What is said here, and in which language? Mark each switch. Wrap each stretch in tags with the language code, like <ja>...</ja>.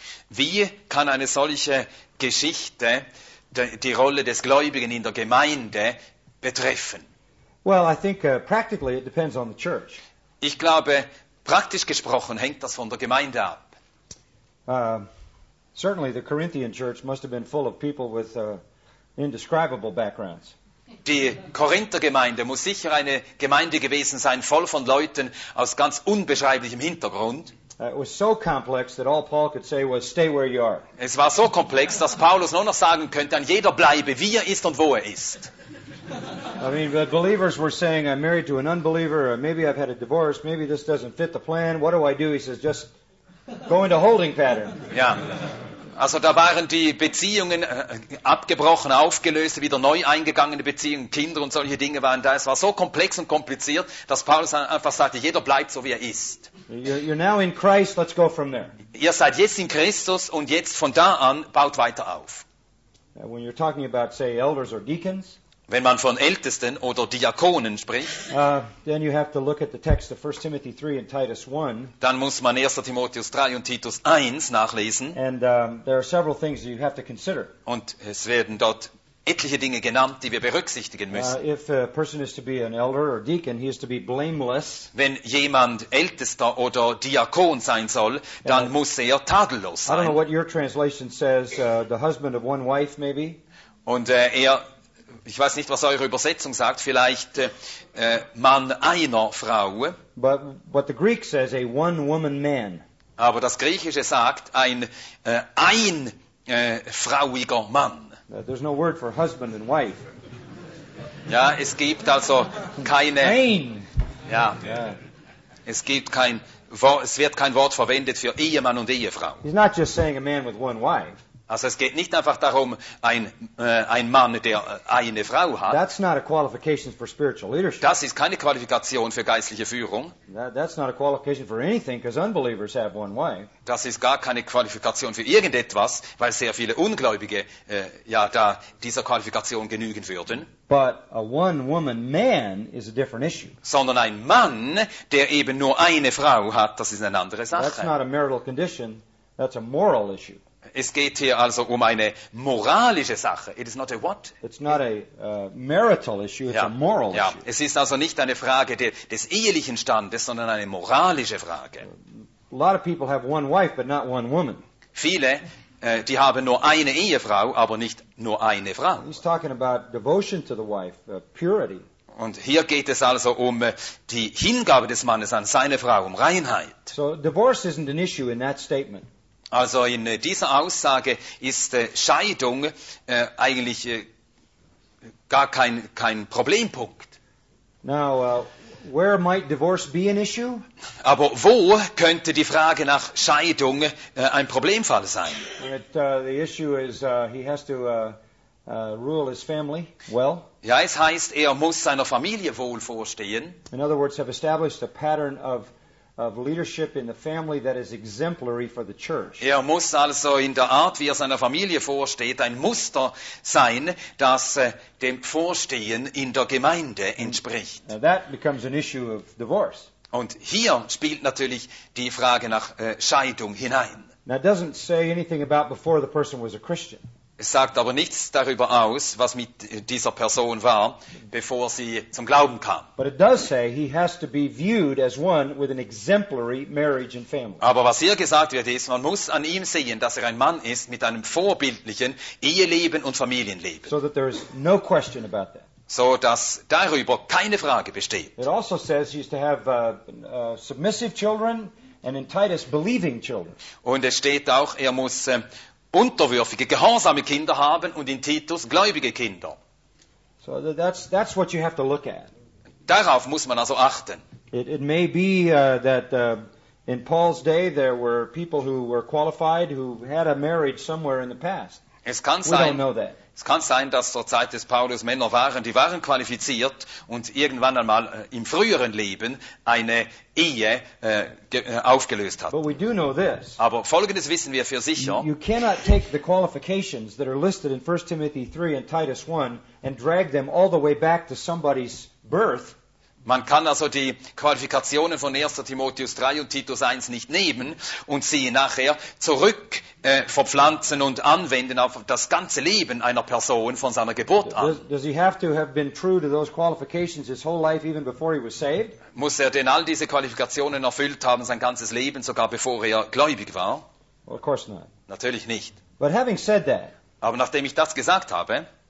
<de>Wie kann eine solche Geschichte die Rolle des Gläubigen in der Gemeinde betreffen?</de> <en>Well, I think practically it depends on the church.</en> <de>Ich glaube, praktisch gesprochen hängt das von der Gemeinde ab.</de> <en>Certainly the Corinthian church must have been full of people with indescribable backgrounds.</en> <de>Die Korinther Gemeinde muss sicher eine Gemeinde gewesen sein, voll von Leuten aus ganz unbeschreiblichem Hintergrund.</de> <en>It was so complex that all Paul could say was stay where you are.</en> <de>Es war so komplex, dass Paulus nur noch sagen könnte, an jeder bleibe, wie er ist und wo er ist.</de> <en>I mean, the believers were saying I'm married to an unbeliever, or maybe I've had a divorce, maybe this doesn't fit the plan. What do I do? He says just go into holding pattern.</en> <de>Ja. Also da waren die Beziehungen abgebrochen, aufgelöst, wieder neu eingegangene Beziehungen, Kinder und solche Dinge waren da. Es war so komplex und kompliziert, dass Paulus einfach sagte, jeder bleibt so, wie er ist.</de> <en>You're now in Christ, let's go from there.</en> <de>Ihr seid jetzt in Christus und jetzt von da an baut weiter auf.</de> <en>When you're talking about, say, elders or deacons,</en> <de>wenn man von Ältesten oder Diakonen spricht,</de> <en>then you have to look at the text of 1 Timothy 3 and Titus 1.</en> <de>Dann muss man 1. Timotheus 3 und Titus 1 nachlesen.</de> <en>And there are several things that you have to consider.</en> <de>Und es werden dort etliche Dinge genannt, die wir berücksichtigen müssen.</de> <en>If a person is to be an elder or deacon, he is to be blameless.</en> <de>Wenn jemand Ältester oder Diakon sein soll, dann muss er tadellos sein.</de> <en>I don't know what your translation says, the husband of one wife maybe.</en> <de>Und ich weiß nicht, was eure Übersetzung sagt, vielleicht Mann einer Frau.</de> <en>But what the Greek says, a one woman man.</en> <de>Aber das Griechische sagt, ein frauiger Mann.</de> <en>There's no word for husband and wife.</en> <de>Ja, es gibt also keine. Ein. Ja. Es gibt kein Wort, es wird kein Wort verwendet für Ehemann und Ehefrau.</de> <en>He's not just saying a man with one wife.</en> <de>Also es geht nicht einfach darum, ein Mann, der eine Frau hat.</de> <en>That's not a qualification for spiritual leadership.</en> <de>Das ist keine Qualifikation für geistliche Führung.</de> <en>That's not a qualification for anything, because unbelievers have one wife.</en> <de>Das ist gar keine Qualifikation für irgendetwas, weil sehr viele Ungläubige da dieser Qualifikation genügen würden.</de> <en>But a one-woman man is a different issue.</en> <de>Sondern ein Mann, der eben nur eine Frau hat, das ist eine andere Sache.</de> <en>That's not a marital condition, that's a moral issue.</en> <de>Es geht hier also um eine moralische Sache.</de> <en>It is not a what? It's not a marital issue, it's a moral issue.</en> <de>Es ist also nicht eine Frage des ehelichen Standes, sondern eine moralische Frage.</de> <en>A lot of people have one wife, but not one woman.</en> <de>Viele, die haben nur eine Ehefrau, aber nicht nur eine Frau.</de> <en>He's talking about devotion to the wife, purity.</en> <de>Und hier geht es also um die Hingabe des Mannes an seine Frau, um Reinheit.</de> <en>So divorce isn't an issue in that statement.</en> <de>Also in dieser Aussage ist Scheidung eigentlich gar kein Problempunkt.</de> <en>Now, where might divorce be an issue?</en> <de>Aber wo könnte die Frage nach Scheidung ein Problemfall sein?</de> <en>The issue is he has to rule his family well.</en> <de>Ja, es heißt, er muss seiner Familie wohl vorstehen.</de> <en>In other words, have established a pattern of leadership in the family that is exemplary for the church.</en> <de>Er muss also in der Art, wie er seiner Familie vorsteht, ein Muster sein, das dem Vorstehen in der Gemeinde entspricht.</de> <en>Now that becomes an issue of divorce.</en> <de>Und hier spielt natürlich die Frage nach Scheidung hinein.</de> <en>Now it doesn't say anything about before the person was a Christian.</en> <de>Es sagt aber nichts darüber aus, was mit dieser Person war, bevor sie zum Glauben kam.</de> <en>But it does say he has to be viewed as one with an exemplary marriage and family.</en> <de>Aber was hier gesagt wird, ist, man muss an ihm sehen, dass er ein Mann ist mit einem vorbildlichen Eheleben und Familienleben.</de> <en>So that there is no question about that.</en> <de>So dass darüber keine Frage besteht.</de> <en>It also says he has to have submissive children and in Titus believing children.</en> <de>Und es steht auch, er muss unterwürfige, gehorsame Kinder haben und in Titus gläubige Kinder.</de> <en>So that's what you have to look at.</en> <de>Darauf muss man also achten.</de> <en>It may be that in Paul's day there were people who were qualified who had a marriage somewhere in the past.</en> <de>Es kann sein,</de> <en>we don't know that.</en> <de>Es kann sein, dass zur Zeit des Paulus Männer waren, die waren qualifiziert und irgendwann einmal im früheren Leben eine Ehe aufgelöst hat.</de> <en>But we do know this.</en> <de>Aber Folgendes wissen wir für sicher.</de> <en>You cannot take the qualifications that are listed in 1 Timothy 3 and Titus 1 and drag them all the way back to somebody's birth.</en> <de>Man kann also die Qualifikationen von 1. Timotheus 3 und Titus 1 nicht nehmen und sie nachher zurück verpflanzen und anwenden auf das ganze Leben einer Person von seiner Geburt an.</de> <en>Does he have to have been true to those qualifications his whole life even before he was saved?</en> <de>Muss er denn all diese Qualifikationen erfüllt haben sein ganzes Leben, sogar bevor er gläubig war?</de> <en>Well, of course not.</en> <de>Natürlich nicht.</de> <en>But having said that,</en> <de>aber nachdem ich das gesagt habe,</de>